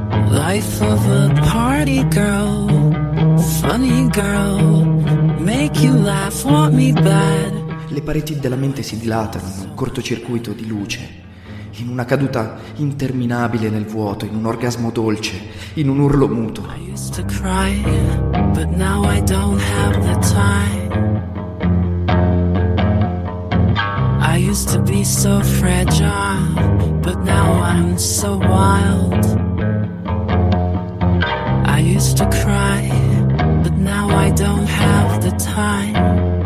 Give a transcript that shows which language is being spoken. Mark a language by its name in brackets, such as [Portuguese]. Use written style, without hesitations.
[English] Life of a party girl, funny girl, make you laugh, want me bad. [Italian] Le pareti della mente si dilatano in un cortocircuito di luce. In una caduta interminabile nel vuoto, in un orgasmo dolce, in un urlo muto. [English] I used to cry, but now I don't have the time. I used to be so fragile, but now I'm so wild. I used to cry, but now I don't have the time.